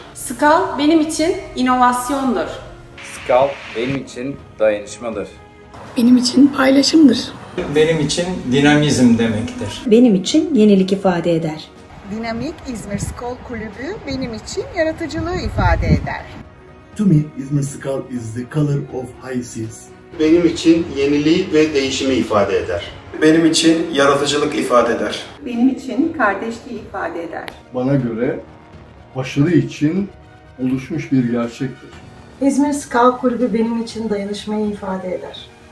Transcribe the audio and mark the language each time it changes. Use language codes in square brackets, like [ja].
[tr] Sikkal benim için inovasyondur. Sikkal benim için dayanışmadır. Benim için paylaşımdır. Benim için dinamizm demektir. Benim için yenilik ifade eder. Dinamik İzmir Sikkal Kulübü benim için yaratıcılığı ifade eder. [en] To me, İzmir Sikkal is the color of high seas. [tr] Benim için yeniliği ve değişimi ifade eder. Benim için yaratıcılık ifade eder. Benim için kardeşliği ifade eder. Bana göre başarı için oluşmuş bir gerçektir. İzmir Sikkal Kulübü benim için dayanışmayı ifade eder.